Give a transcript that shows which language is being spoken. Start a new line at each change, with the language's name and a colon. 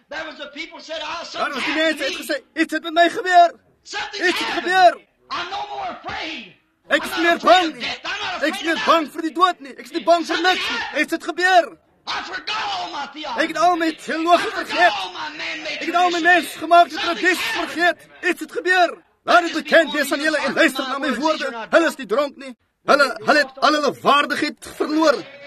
Afrikaans: Daar was die mense het gesê, iets het met my gebeur. Iets het gebeur.
English: I'm no more afraid.
Afrikaans: Ek is meer bang nie. Ek is meer bang vir die dood nie. Ek is nie bang vir niks nie. Het dit gebeur? Ek het al my teologie vergeet. Ek het al my mens gemaakte tradities vergeet. Het dit gebeur? Laat het bekend wees aan julle en luister na my woorde. Hulle is nie dronk nie. Hulle het al hulle waardigheid verloor.